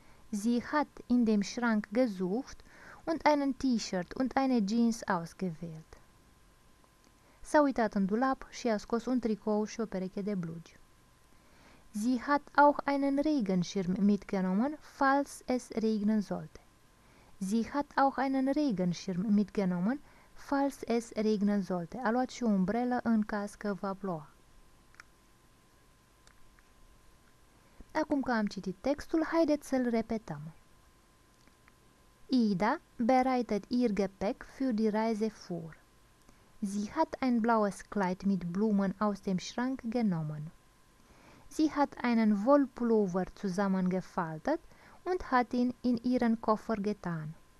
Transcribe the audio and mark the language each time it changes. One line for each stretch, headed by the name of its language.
German: Sie hat in dem Schrank gesucht und einen T-Shirt und eine Jeans ausgewählt.
Romanian: S-a uitat în dulap și a scos un tricou și o pereche de blugi.
German: Sie hat auch einen Regenschirm mitgenommen, falls es regnen sollte. Sie hat auch einen Regenschirm mitgenommen, falls es regnen sollte.
Romanian: A luat și o umbrelă în caz că va ploua. Acum că am citit textul, haideți să-l repetăm.
German: Ida bereitet ihr Gepäck für die Reise vor. Sie hat ein blaues Kleid mit Blumen aus dem Schrank genommen. Sie hat einen Wollpullover zusammengefaltet und hat ihn in ihren Koffer getan.